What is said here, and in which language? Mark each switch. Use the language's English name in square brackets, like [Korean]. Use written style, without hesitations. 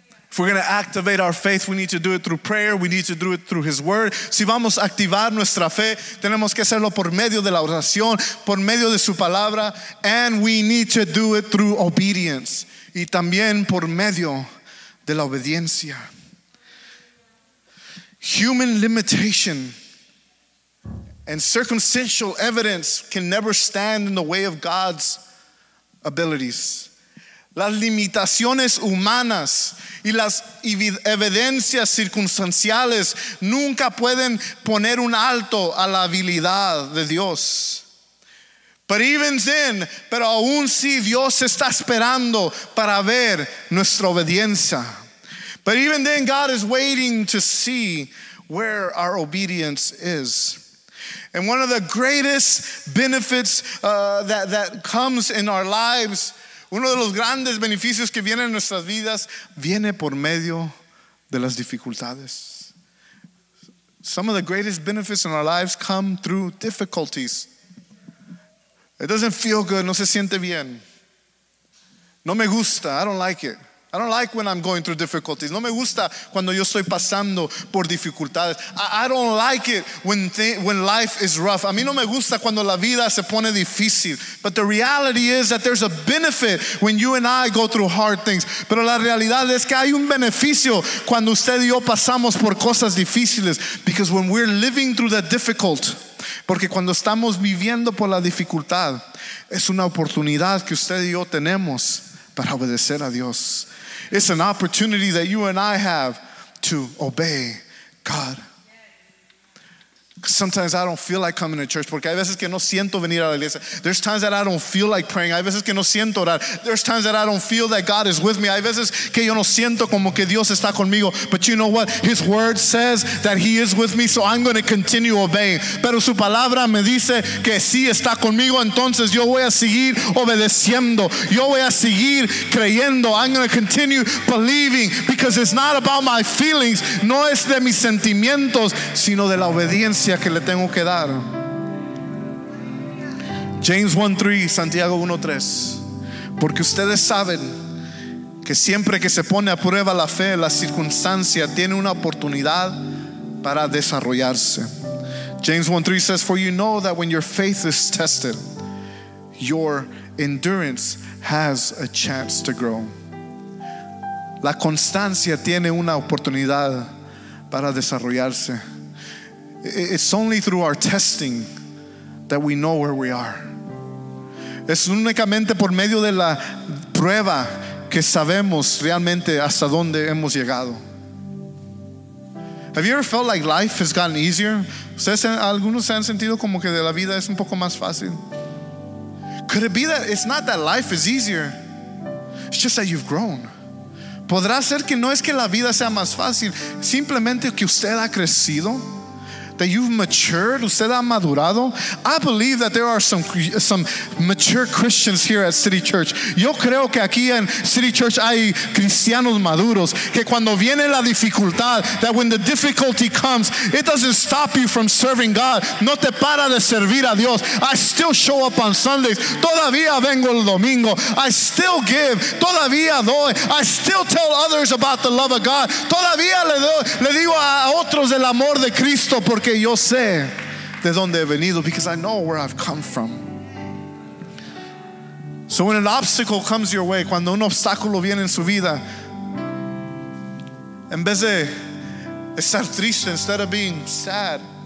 [English] If we're going to activate our faith, we need to do it through prayer. We need to do it through his word. [Spanish] Si vamos a activar nuestra fe, tenemos que hacerlo por medio de la oración, por medio de su palabra. [English] And we need to do it through obedience. [Spanish] Y también por medio de la obediencia. [English] Human limitation and circumstantial evidence can never stand in the way of God's abilities. [Spanish] Las limitaciones humanas y las evidencias circunstanciales nunca pueden poner un alto a la habilidad de Dios. Pero aún si Dios está esperando para ver nuestra obediencia. [English] But even then God is waiting to see where our obedience is. [Spanish] And one of the greatest benefits that comes in our lives, uno de los grandes beneficios que viene en nuestras vidas, viene por medio de las dificultades. [English] Some of the greatest benefits in our lives come through difficulties. It doesn't feel good, [Spanish] no se siente bien. No me gusta, [English] I don't like it. I don't like when I'm going through difficulties. [Spanish] No me gusta cuando yo estoy pasando por dificultades. [English] I don't like it when life is rough. [Spanish] A mí no me gusta cuando la vida se pone difícil. [English] But the reality is that there's a benefit when you and I go through hard things. [Spanish] Pero la realidad es que hay un beneficio cuando usted y yo pasamos por cosas difíciles. [English] Because when we're living through the difficult, [Spanish] porque cuando estamos viviendo por la dificultad, es una oportunidad que usted y yo tenemos para obedecer a Dios. [English] It's an opportunity that you and I have to obey God. Sometimes I don't feel like coming to church [Spanish] porque hay veces que no siento venir a la iglesia. [English] There's times that I don't feel like praying. [Spanish] Hay veces que no siento orar. [English] There's times that I don't feel that God is with me. [Spanish] Hay veces que yo no siento como que Dios está conmigo. [English] But you know what? His word says that he is with me, so I'm going to continue obeying. [Spanish] Pero su palabra me dice que sí está conmigo, entonces yo voy a seguir obedeciendo. Yo voy a seguir creyendo. [English] I'm going to continue believing because it's not about my feelings. [Spanish] No es de mis sentimientos, sino de la obediencia que le tengo que dar. James 1:3, Santiago 1:3. Porque ustedes saben que siempre que se pone a prueba la fe, la circunstancia tiene una oportunidad para desarrollarse. [English] James 1:3 says, for you know that when your faith is tested, your endurance has a chance to grow. [Spanish] La constancia tiene una oportunidad para desarrollarse. [English] It's only through our testing that we know where we are. [Spanish] Es únicamente por medio de la prueba que sabemos realmente hasta dónde hemos llegado. [English] Have you ever felt like life has gotten easier? [Spanish] ¿Algunos se han sentido como que de la vida es un poco más fácil? [English] Could it be that it's not that life is easier? It's just that you've grown. [Spanish] ¿Podrá ser que no es que la vida sea más fácil, simplemente que usted ha crecido? [English] That you've matured, [Spanish] usted ha madurado. [English] I believe that there are some mature Christians here at City Church. [Spanish] Yo creo que aquí en City Church hay cristianos maduros. Que cuando viene la dificultad, [English] that when the difficulty comes, it doesn't stop you from serving God. [Spanish] No te para de servir a Dios. [English] I still show up on Sundays. [Spanish] Todavía vengo el domingo. [English] I still give. [Spanish] Todavía doy. [English] I still tell others about the love of God. [Spanish] Todavía le digo a otros el amor de Cristo. Porque yo sé de dónde he venido, [English] because I know where I've come from. So when an obstacle comes your way, [Spanish] cuando un obstáculo viene en su vida, en vez de estar triste, instead of being sad,